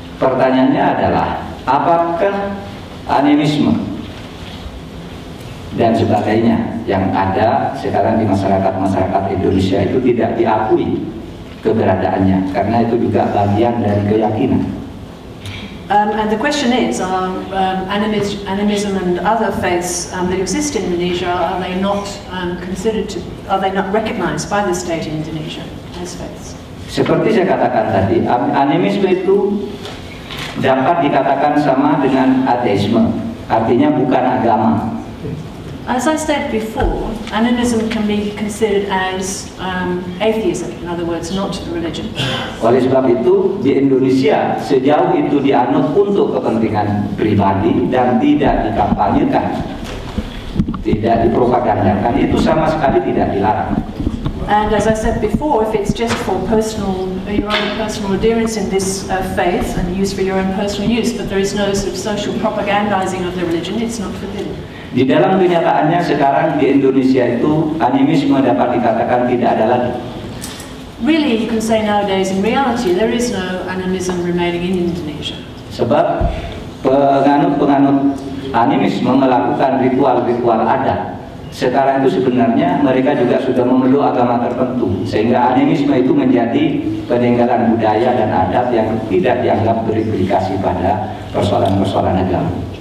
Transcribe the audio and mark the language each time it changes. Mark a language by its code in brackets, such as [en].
[id] Pertanyaannya adalah, apakah animisme dan sebagainya yang ada sekarang di masyarakat-masyarakat Indonesia itu tidak diakui keberadaannya, karena itu juga bagian dari keyakinan? [en] And the question is, are animism and other faiths that exist in Indonesia, are they not considered to, are they not recognized by the state in Indonesia as faiths? [id] Seperti saya katakan tadi, animisme itu dapat dikatakan sama dengan ateisme, artinya bukan agama. [en] As I said before, animism can be considered as atheism, in other words, not a religion. [id] Oleh sebab itu, di Indonesia, sejauh itu dianut untuk kepentingan pribadi dan tidak dikampanyekan, tidak dipropagandakan, itu sama sekali tidak dilarang. [en] And as I said before, if it's just for personal, your own personal adherence in this faith and use for your own personal use, but there is no sort of social propagandizing of the religion, it's not forbidden. [id] Di dalam kenyataannya sekarang di Indonesia itu animisme dapat dikatakan tidak ada lagi. [en] Really, you can say nowadays in reality there is no animism remaining in Indonesia. [id] Sebab penganut-penganut animisme melakukan ritual-ritual adat. Sekarang itu sebenarnya mereka juga sudah memeluk agama tertentu sehingga animisme itu menjadi peninggalan budaya dan adat yang tidak dianggap berimplikasi pada persoalan-persoalan agama.